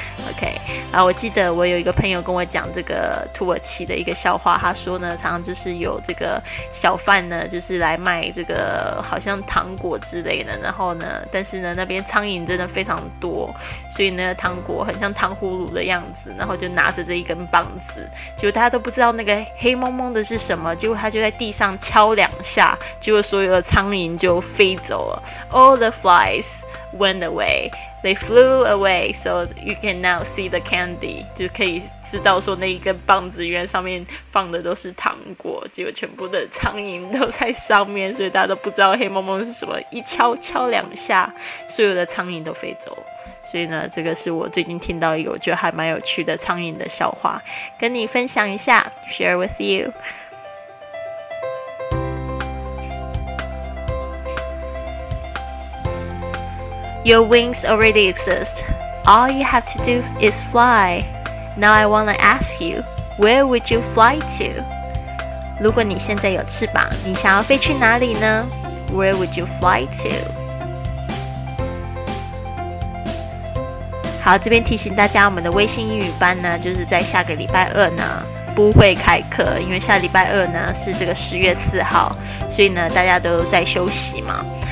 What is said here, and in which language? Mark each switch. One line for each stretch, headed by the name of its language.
Chinese: OK， 然后我记得我有一个朋友跟我讲这个土耳其的一个笑话，他说呢，常常就是有这个小贩呢，就是来卖这个好像糖果之类的，然后呢，但是呢，那边苍蝇真的非常多，所以呢，糖果很像糖葫芦的样子，然后就拿着这一根棒子，结果大家都不知道那个黑蒙蒙的是什么，结果他就在地上敲两下，结果所有的苍蝇就飞走了 ，
English: All the flies went away。 They flew away, so you can now see the candy.
Chinese: 就可以知道说那一根棒子原来上面放的都是糖果，结果全部的苍蝇都在上面，所以大家都不知道黑蒙蒙是什么。一敲敲两下，所有的苍蝇都飞走。所以呢，这个是我最近听到一个我觉得还蛮有趣的苍蝇的笑话，跟你分享一下 ，
English: share with you。 Your wings already exist. All you have to do is fly. Now I want to ask you, where would you fly to?
Chinese: 如果你现在有翅膀，你想要飞去哪里呢？
English: Where would you fly to?
Chinese: 好，这边提醒大家，我们的微信英语班呢，就是在下个礼拜二呢不会开课，因为下礼拜二呢是这个10月4号，所以呢大家都在休息嘛。